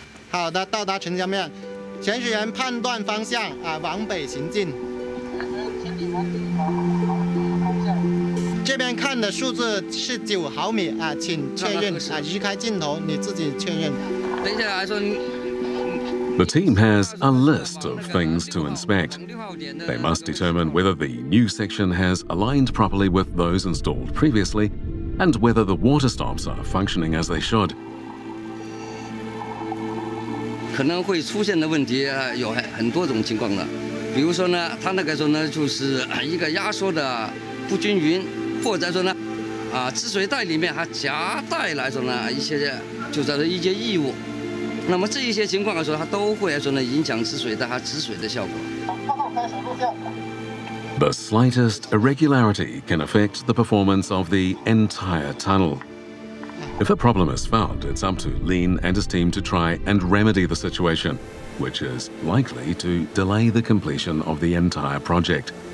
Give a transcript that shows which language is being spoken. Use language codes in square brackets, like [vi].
[zh] 好的，到达城墙面，潜水员判断方向啊，往北行进。这边看的数字是9毫米啊，请确认啊，移开镜头，你自己确认。等一下来说。 [en] The team has a list of things to inspect. They must determine whether the new section has aligned properly with those installed previously, and whether the water stops are functioning as they should. [zh] 可能会出现的问题有很多种情况的，比如说呢，它那个时候呢就是一个压缩的不均匀，或者说呢，止水带里面还夹带来说呢一些就是一些异物，那么这一些情况来说，它都会来说呢影响止水带和止水的效果。 [en] The slightest irregularity can affect the performance of the entire tunnel. If a problem is found, it's up to Lin and his team to try and remedy the situation, which is likely to delay the completion of the entire project.